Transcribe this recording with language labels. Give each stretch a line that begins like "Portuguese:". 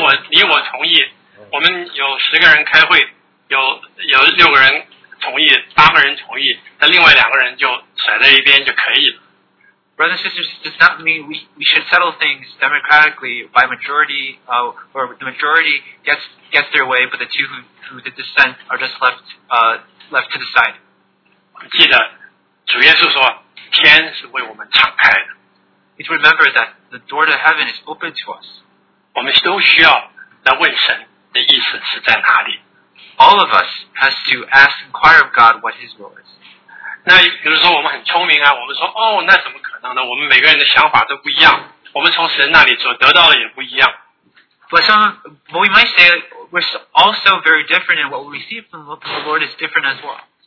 Chinese: 你我同意。我们有十个人开会，有六个人同意，八个人同意，那另外两个人就甩在一边就可以了。
English: Brothers and sisters, does not mean we should settle things democratically by majority, or the majority gets their way, but the two who did dissent are just left to the side.
Chinese: 记得主耶稣说，天是为我们敞开的。
English: Need to remember that the door to heaven is open to us.
Chinese: 我们都需要来问神的意思是在哪里。
English: All of us has to ask, inquire of God what His will is.
Chinese: 那比如说我们很聪明啊，我们说哦，那怎么可能呢？我们每个人的想法都不一样，我们从神那里所得到的也不一样。
English: But some, what we might say, we're also very different, and what we receive from the Lord is different as well.